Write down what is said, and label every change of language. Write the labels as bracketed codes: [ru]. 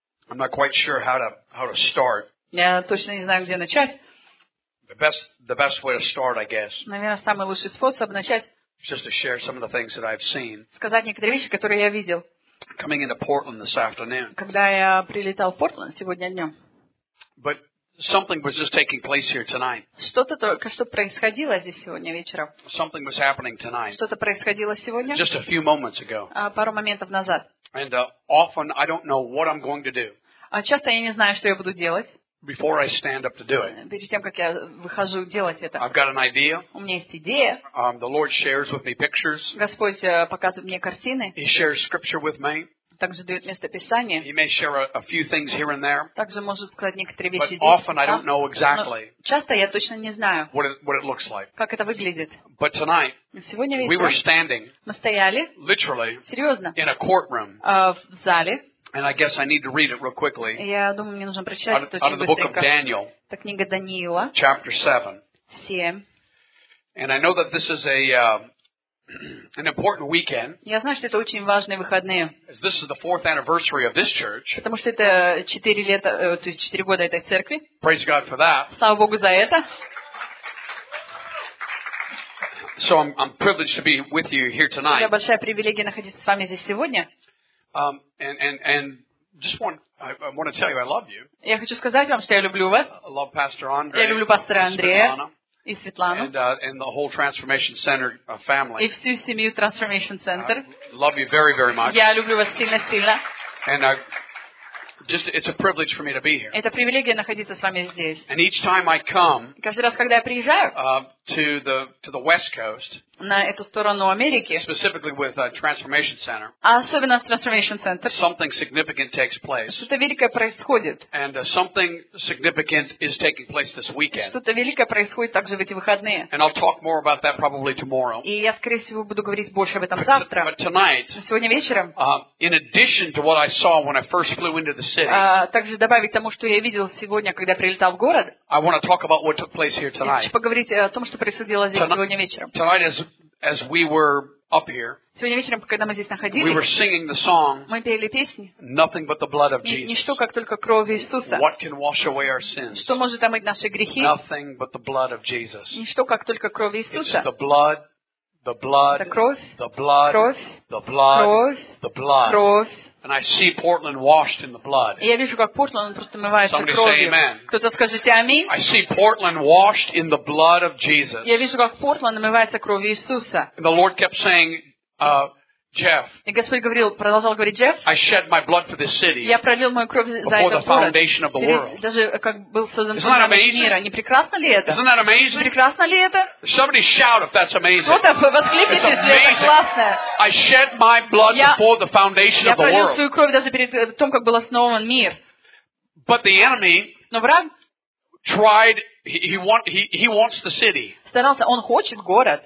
[en] I'm not quite sure how to start. [ru] Я точно не знаю, где начать. [en] The best way to start, I guess. [ru] Наверное, самый лучший способ начать. [en] Just to share some of the things that I've seen. [ru] Сказать некоторые вещи, которые я видел. [en] Coming into Portland this afternoon. [ru] Когда я прилетал в Портленд сегодня днем. [en] But Something was just taking place here tonight. [ru] Что-то только что происходило здесь сегодня вечером. [en] Something was happening tonight. [ru] Что-то происходило сегодня. [en] Just a few moments ago. [ru] Пару моментов назад. [en] And often I don't know what I'm going to do. [ru] Часто я не знаю, что я буду делать. [en] Before I stand up to do it. [ru] Перед тем, как я выхожу делать это. [en] I've got an idea. [ru] У меня есть идея. [en] The Lord shares with me pictures. [ru] Господь показывает мне картины. [en] He shares scripture with me. [ru] Также дает место Писания. [en] He may share a few things here and there. [ru] Также может сказать некоторые вещи здесь. [en] But often I don't know exactly. [ru] Часто я точно не знаю. [en] What it looks like. [ru] Как это выглядит. [en] But tonight. [ru] Сегодня вечером. [en] We were standing. [ru] Мы стояли. [en] Literally. [ru] Серьезно. [en] In a courtroom. [ru] В зале. [en] And I guess I need to read it real quickly. [ru] Я думаю, мне нужно прочитать это очень быстро. [en] Out of the book of Daniel. [ru] Это книга Даниила. [en] Chapter 7. [ru] 7. [en] And I know that this is a an important weekend. [ru] Я знаю, что это очень важные выходные. [en] This is the fourth anniversary of this church. [ru] Потому что это 4 лет, то есть 4 года этой церкви. [en] Praise God for that. [ru] Слава Богу за это. [en] So I'm privileged to be with you here tonight. [ru] У меня большая привилегия находиться с вами здесь сегодня. [en] And just want I want to tell you I love you. [ru] Я хочу сказать вам, что я люблю вас. [en] I love Pastor Andre. [ru] Я люблю пастора Андрея. И Светлану. [en] And the whole Transformation Center family. [ru] И всю семью Transformation Center. [en] Love you very, very much. [ru] Я люблю вас сильно, сильно. [en] And just it's a privilege for me to be here. [ru] Это привилегия находиться с вами здесь. [en] And each time I come. [ru] Каждый раз, когда я приезжаю. [en] To the West Coast. [ru] На эту сторону Америки. [en] Specifically with Transformation Center. [ru] Особенно с Transformation Center. [en] Something significant takes place. [ru] Что-то великое происходит. [en] And something significant is taking place this weekend. [ru] Что-то великое происходит также в эти выходные. [en] And I'll talk more about that probably tomorrow. [ru] И я, скорее всего, буду говорить больше об этом завтра. [en] But tonight. [ru] Сегодня вечером. [en] In addition to what I saw when I first flew into the city. [ru] Также добавить тому, что я видел сегодня, когда прилетал в город. [en] I want to talk about what took place here tonight. [ru] Я хочу поговорить о том, что происходило здесь сегодня вечером. [en] Tonight as we were up here. [ru] Сегодня вечером, когда мы здесь находились. [en] We were singing the song. [ru] Мы пели песни. [en] Nothing but the blood of Jesus. [ru] Ничто, как только кровь Иисуса. [en] What can wash away our sins? [ru] Что может омыть наши грехи? [en] Nothing but the blood of Jesus. [ru] Ничто, как только кровь Иисуса. [en] It's the blood. [ru] Это кровь. [en] The blood. [ru] Кровь. [en] The blood. [ru] Кровь. [en] The blood. [ru] Кровь. [en] And I see Portland washed in the blood. [ru] Я вижу, как Портленд просто омывается кровью. [en] Somebody say amen. [ru] Кто-то скажите аминь. [en] I see Portland washed in the blood of Jesus. [ru] Я вижу, как Портленд омывается кровью Иисуса. [en] The Lord kept saying, Jeff. [ru] И Господь говорил, продолжал говорить, Джефф. [en] I shed my blood for this city. [ru] Я пролил мою кровь за этот город. [en] Before the foundation of the world. [ru] Даже как был создан фундамент мира. Не прекрасно ли это? [en] Isn't that amazing? [ru] Прекрасно ли это? [en] Somebody shout if that's amazing. [ru] Кто-то воскликните, если это классно. [en] I shed my blood before the foundation of the world. [ru] Я пролил свою кровь даже перед тем, как был основан мир. [en] But the enemy. [ru] Но враг. [en] Tried. He wants the city. [ru] Старался, он хочет город.